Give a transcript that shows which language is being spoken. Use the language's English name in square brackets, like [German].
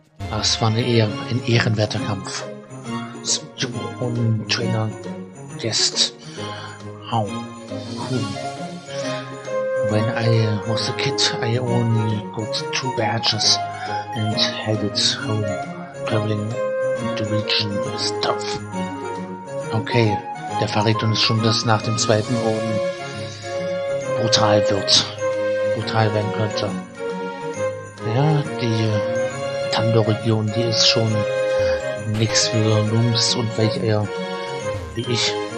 [German] Das war ein ehrenwerter Kampf. Und Trainer. Jetzt. [English] Oh, cool. When I was a kid, I only got 2 badges and headed home. Traveling the region is tough. [German] Okay, der verrät uns schon, dass nach dem zweiten Orden brutal wird. Brutal werden könnte. Ja, die Tando-Region, die ist schon nix für Nums und Weicheier wie ich.